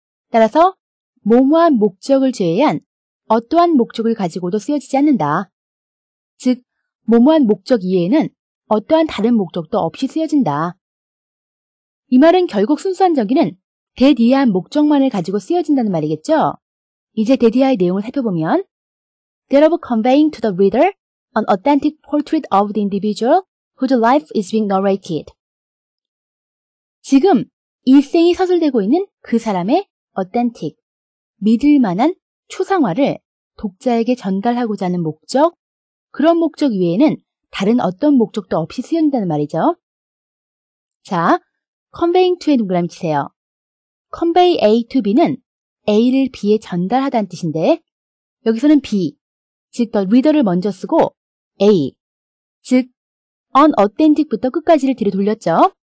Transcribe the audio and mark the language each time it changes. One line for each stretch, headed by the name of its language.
Korean: 따라서 뭐뭐한 목적을 제외한 어떠한 목적을 가지고도 쓰여지지 않는다. 즉, 뭐뭐한 목적 이외에는 어떠한 다른 목적도 없이 쓰여진다. 이 말은 결국 순수한 전기는 that 이하한 목적만을 가지고 쓰여진다는 말이겠죠? 이제 that 이하의 내용을 살펴보면
English: that of conveying to the reader an authentic portrait of the individual whose life is being narrated.
Korean: 지금 일생이 서술되고 있는 그 사람의 authentic, 믿을만한 초상화를 독자에게 전달하고자 하는 목적, 그런 목적 외에는 다른 어떤 목적도 없이 쓰인다는 말이죠. 자, conveying to의 동그라미 치세요. convey A to B는 A를 B에 전달하다는 뜻인데 여기서는 B, 즉 the reader를 먼저 쓰고 A, 즉 unauthentic부터 끝까지를 뒤로 돌렸죠.